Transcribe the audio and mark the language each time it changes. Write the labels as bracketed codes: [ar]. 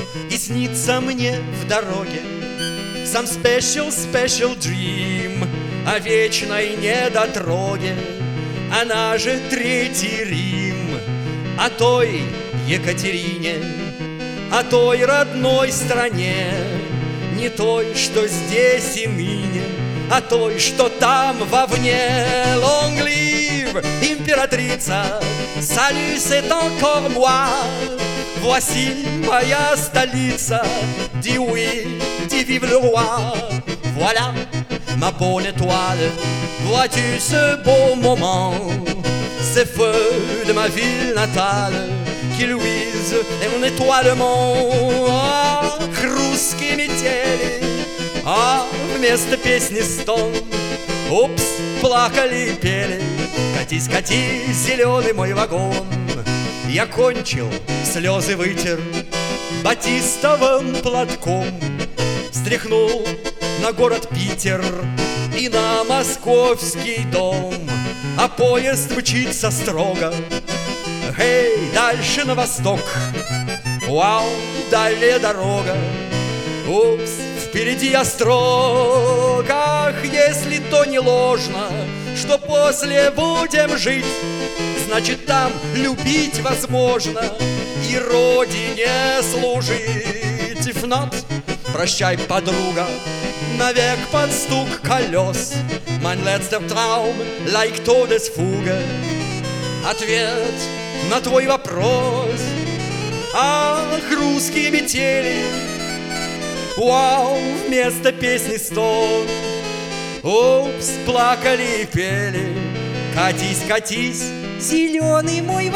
[ru] И снится мне в дороге сам [en] special, special dream [ru] о вечной недотроге. Она же Третий Рим, о той Екатерине, о той родной стране, не той, что здесь и ныне, а той, что там вовне. [en] Long live [ru] императрица, [fr] salut, c'est encore moi, voici [ru] моя столица, [fr] dis oui, dis vive le roi. Voilà ma bonne étoile, vois-tu ce beau moment, c'est feu de ma ville natale, qui luise et mon étoile monte. [ru] Ах, русские метели, а вместо песни стон. Упс, плакали и пели, катись, катись, зеленый мой вагон. Я кончил, слезы вытер батистовым платком, стряхнул на город Питер и на московский дом. А поезд мчится строго, эй, дальше на восток. Вау, далее дорога, упс, впереди Острог. Ах, если то не ложно, что после будем жить, значит, там любить возможно и родине служить. Фнат, прощай, подруга, навек под стук колес. [de] Mein letzter Traum, [ru] like Todesfuge, ответ на твой вопрос. Ах, русские метели, вау, вместо песни стон. Упс, плакали и пели, катись, катись, зеленый мой вагон, в Острог Илимск.